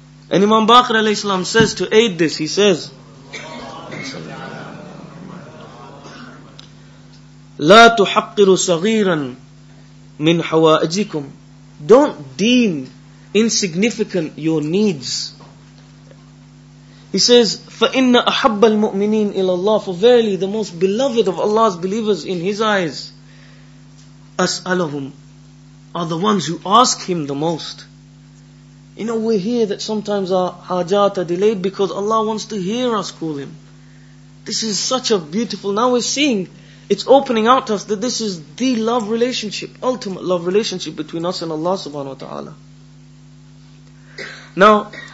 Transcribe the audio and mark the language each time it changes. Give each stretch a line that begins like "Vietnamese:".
English: And Imam Baqir alayhi salam says to aid this, he says,
Arabic: La tuhaqqiru saghiran min hawa'ijikum.
English: Don't deem insignificant your needs. He says,
Arabic: فَإِنَّ أَحَبَّ الْمُؤْمِنِينَ إِلَى اللَّهِ.
English: For verily, the most beloved of Allah's believers in His eyes,
Arabic: أَسْأَلَهُمْ,
English: are the ones who ask Him the most. You know, we're here that sometimes our hajat are delayed because Allah wants to hear us call Him. This is such a beautiful, now we're seeing, it's opening out to us that this is the love relationship, ultimate love relationship between us and Allah subhanahu wa ta'ala.